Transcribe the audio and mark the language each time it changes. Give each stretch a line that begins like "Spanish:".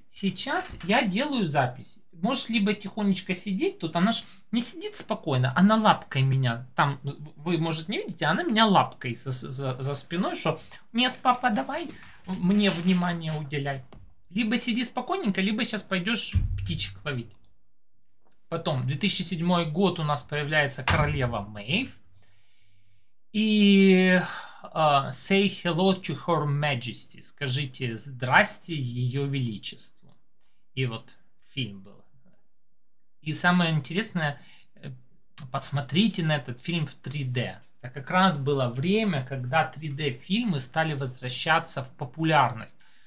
Russian: Сейчас я делаю запись. Можешь либо тихонечко сидеть тут, она ж не сидит спокойно, она лапкой меня, там, вы, может, не видите, она меня лапкой за спиной, что нет, папа, давай мне внимание уделяй. Либо сиди спокойненько, либо сейчас пойдешь птичек ловить. Потом, 2007 год, у нас появляется королева Мэйв.
English: И say hello to her majesty.
Russian: Скажите здрасте ее величеству. И вот фильм был. И самое интересное, посмотрите на этот фильм в 3D. Это как раз было время, когда 3D-фильмы стали возвращаться в популярность.